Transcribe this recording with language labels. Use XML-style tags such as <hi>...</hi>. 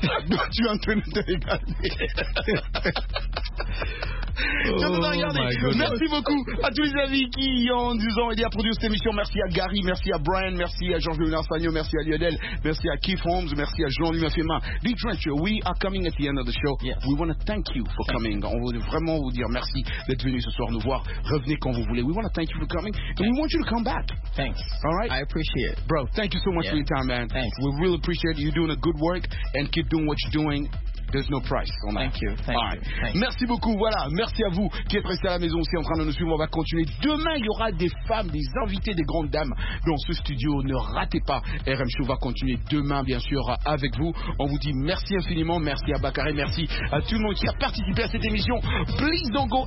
<fr>Donc, tu es en train de te regarder. Oh, merci beaucoup à tous les amis qui ont 10 ans aidé à produire cette émission. Merci à Gary, merci à Brian, merci à Jean-Louis Narsagno, merci à Lionel, merci à Keith Holmes, merci à Jean-Louis Mafema.</fr> <en>Big Trencher, we are coming at the end of the show. Yes. We want to thank you for coming. On veut vraiment vous dire merci d'être venu ce soir nous voir.</en> <fr>Revenez quand vous voulez.</fr> <en>We want to thank you for coming. And we want you to come back. Thanks. All right? I appreciate it. Bro, thank you so much for your time, man. Thanks. We really appreciate you doing a good work. And keep doing what you're doing. There's no price. Thank you. Thank you.</en> <fr>Merci beaucoup. Voilà. Merci à vous qui êtes restés à la maison aussi en train de nous suivre. On va continuer. Demain, il y aura des femmes, des invités, des grandes dames dans ce studio. Ne ratez pas. RM Show va continuer demain, bien sûr, avec vous. On vous dit merci infiniment. Merci à Bakayi. Merci à tout le monde qui a participé à cette émission.</fr> <en>Please don't go.</en>